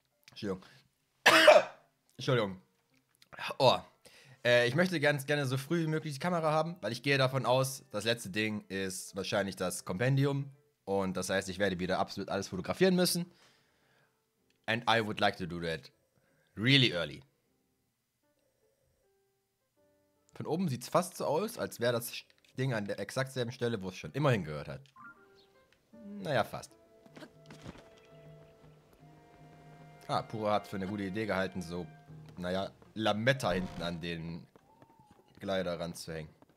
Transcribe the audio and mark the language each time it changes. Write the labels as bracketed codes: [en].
[de] Entschuldigung. Entschuldigung. Oh. Ich möchte ganz gerne so früh wie möglich die Kamera haben, weil ich gehe davon aus, das letzte Ding ist wahrscheinlich das Kompendium. Und das heißt, ich werde wieder absolut alles fotografieren müssen. [en] And I would like to do that really early. [de] Von oben sieht es fast so aus, als wäre das Ding an der exakt selben Stelle, wo es schon immer hingehört hat. Naja, fast. Ah, Pura hat für eine gute Idee gehalten, so, naja, Lametta hinten an den Glider ranzuhängen.